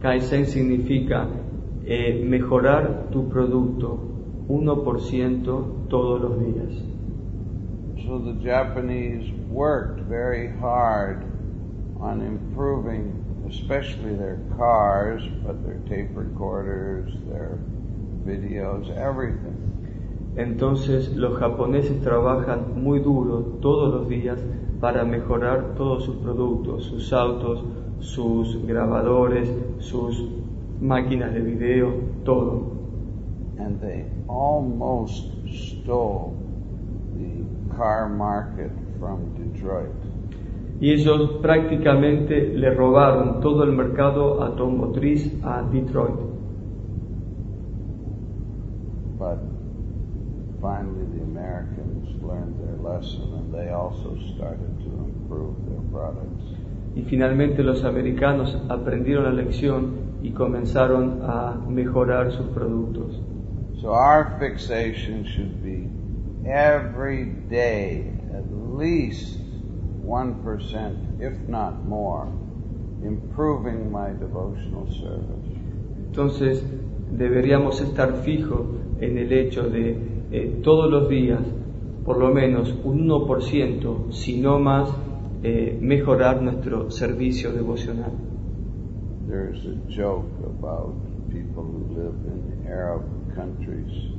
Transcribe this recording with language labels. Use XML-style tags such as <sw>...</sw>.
<es>Kaizen significa mejorar tu producto 1% todos los días.</es> <en>So the Japanese worked very hard on improving especially their cars, but their tape recorders, their videos, everything.</en> <es>Entonces los japoneses trabajan muy duro todos los días para mejorar todos sus productos, sus autos, sus grabadores, sus máquinas de video, todo.</es> <en>And they almost stole the car market from Detroit.</en> <es>Y ellos prácticamente le robaron todo el mercado automotriz a Detroit.</es> <en>But finally the Americans learned their lesson and they also started to improve their products.</en> <es>Y finalmente los americanos aprendieron la lección y comenzaron a mejorar sus productos.</es> <en>So our fixation should be every day at least 1%, if not more, improving my devotional service.</en> <es>Entonces deberíamos estar fijos en el hecho de todos los días, por lo menos un 1%, si no más, mejorar nuestro servicio devocional.</es> <en>There's a joke about people who live in Arab countries.</en>